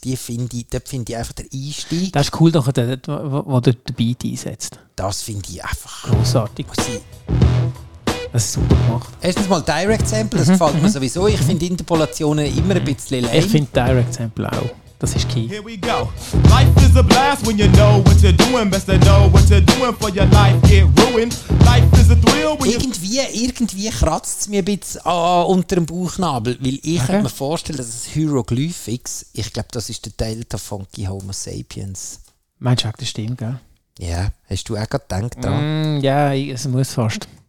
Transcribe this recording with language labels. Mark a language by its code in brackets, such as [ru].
[de] Dort finde ich einfach den Einstieg. Das ist cool, doch, wo dort der Beat einsetzt. Das finde ich einfach grossartig. Das ist super gemacht. Erstens mal Direct Sample, das gefällt mir sowieso. Ich finde Interpolationen immer ein bisschen lame. Ich finde Direct Sample auch. Das ist key. [en] Here we go. Life is a blast when you know what you're doing. Best to know what you're doing for your life get ruined. Life is a thrill when [de] irgendwie kratzt es mir ein bisschen unter dem Bauchnabel. Weil ich könnte mir vorstellen, dass es Hieroglyphics, ich glaube, das ist der Delta von die Homo Sapiens. Meinst du auch, das stimmt, gell? Ja, hast du auch gerade gedacht dran? Ja, es muss fast.